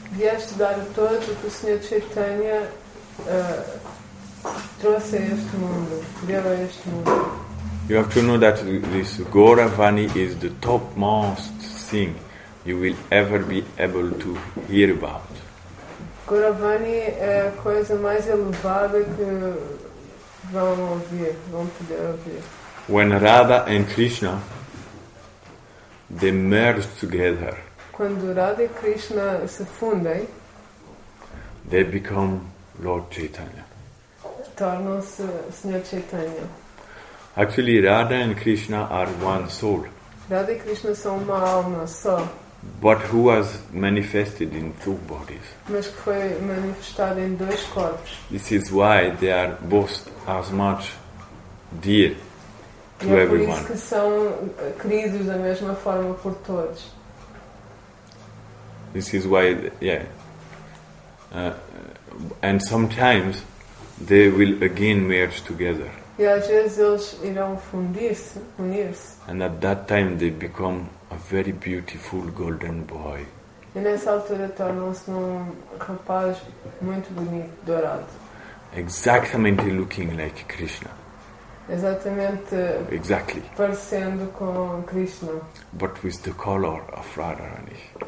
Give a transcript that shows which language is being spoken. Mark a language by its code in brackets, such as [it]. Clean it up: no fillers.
[pt] Vieste dar a todos o que o Senhor Chaitanya trouxe este mundo, deu a este mundo. [en] You have to know that this Gauravani is the topmost thing you will ever be able to hear about. [pt] Gauravani é a coisa mais elevada que vão ouvir, vão poder ouvir. [en] When Radha and Krishna they merge together. [pt] Quando Radha e Krishna se fundem, [en] they become Lord Chaitanya. [pt] Tornam-se Senhor Chaitanya. [en] Actually, Radha and Krishna are one soul. [pt] Radha e Krishna são uma alma só. [en] But who has manifested in two bodies? [pt] Mas que foi manifestado em dois corpos. [en] This is why they are both as much dear to everyone. [pt] E é por isso que são queridos da mesma forma por todos. [en] This is why, and sometimes they will again merge together. [pt] E às vezes eles irão fundir-se, unir-se. [en] And at that time they become a very beautiful golden boy. [pt] E nessa altura tornam-se um rapaz muito bonito, dourado. [en] Exactly looking like Krishna. [pt] Exatamente. [en] Exactly. [pt] Parecendo com Krishna. [en] But with the color of Radharani.